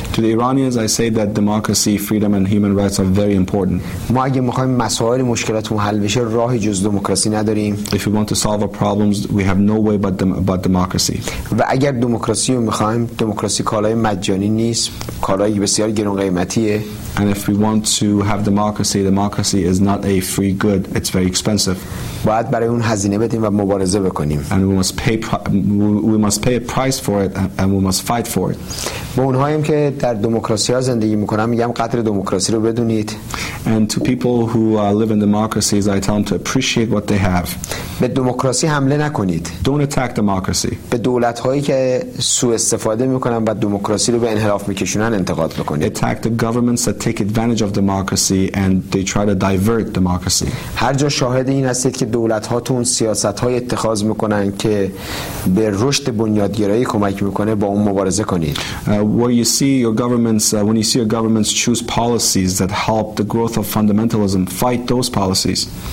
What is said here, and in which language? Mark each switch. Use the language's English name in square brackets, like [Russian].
[English] To the Iranians I say that democracy, freedom and human rights are very important. [Persian] ما اگه میخوایم مسائل مشکلاتمون حل بشه راهی جز دموکراسی نداریم. [English] If we want to solve our problems we have no way but democracy. [Persian] و اگر دموکراسی رو میخوایم، دموکراسی کالای مجانی نیست، کالای بسیار گران قیمتیه. [English] And if we want to have democracy, democracy is not a free good. It's very expensive. [Persian] باید برای اون هزینه بدیم و مبارزه بکنیم. [English] And we must pay a price for it and we must fight for it. [Persian] به اونهاییم که در دموکراسی ها زندگی میکنم میگم قدر دموکراسی رو بدونید. [English] And to people who live in democracies, I tell them to appreciate what they have. [Persian] به دموکراسی حمله نکنید. [English] Don't attack democracy. [Persian] به دولت هایی که سوء استفاده میکنن و دموکراسی رو به انحراف میکشونن انتقاد بکنید. [English] Attack the governments that take advantage of democracy and they try to divert democracy. [Persian] هر جا شاهد این هستید که دولت هاتون سیاست های اتخاذ میکنن که به رشد بنیادگرایی کمک میکنه با اون مبارزه کنید. [English] Where you see your governments, when you see your governments choose policies that help the growth of fundamentalism, fight those policies.